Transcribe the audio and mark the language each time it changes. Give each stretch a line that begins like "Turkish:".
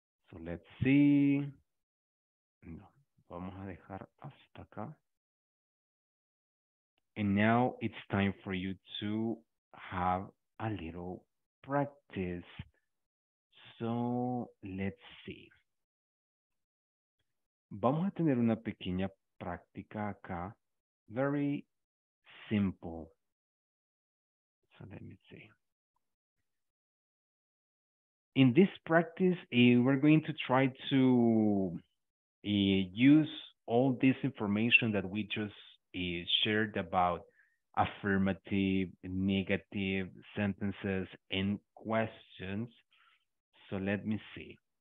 English: So let's see.
Spanish: No, vamos a dejar hasta acá.
English: And now it's time for you to have a little practice. So let's see.
Spanish: Vamos a tener una pequeña práctica acá,
English: very simple. So let me see. In this practice, we're going to try to use all this information that we just shared about affirmative, negative sentences and questions. So let me see.